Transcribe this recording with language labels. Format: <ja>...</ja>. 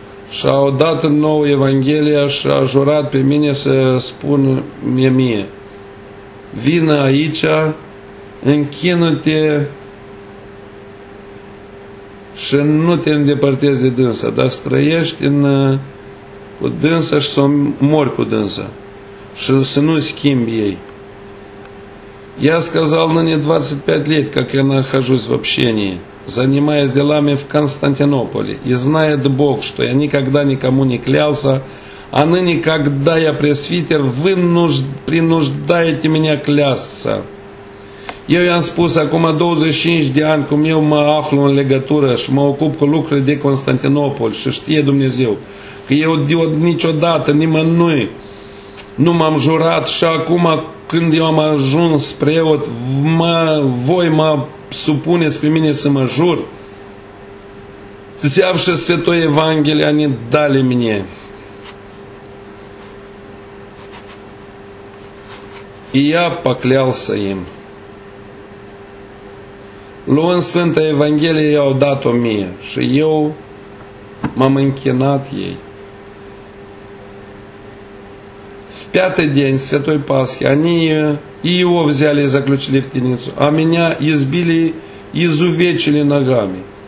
<ro>Și au dat în nouă Evanghelia și a jurat pe mine să spun mie: vină aici, închină-te și nu te îndepărtezi de dânsa, dar străiești cu dânsa și să mori cu dânsa și să nu schimbi ei.</ro> <ru>Я сказал на ней 25 лет, как я нахожусь в общении, занимаясь делами в Константинополе, и знает Бог, что я никогда никому не клялся, а ныне, когда я пресвитер, вы принуждаете меня клясться.</ru> <ro>Eu i-am spus: acum 25 de ani cum eu mă aflu în legătură și mă ocup cu lucrurile de Constantinopol și știe Dumnezeu că eu niciodată nimănui nu m-am jurat și acum când eu am ajuns preot, voi mă supuneți pe mine să mă jur?</ro> <ru>Взявши Святой Евангелие, они дали мне. И я поклялся им.</ru> <ro>Luând Sfânta Evanghelie, i-au dat-o mie și eu m-am închinat ei.</ro> <ru>В пятый день Святой Пасхи они и его взяли и заключили в темницу, а меня избили и изувечили ногами.</ru>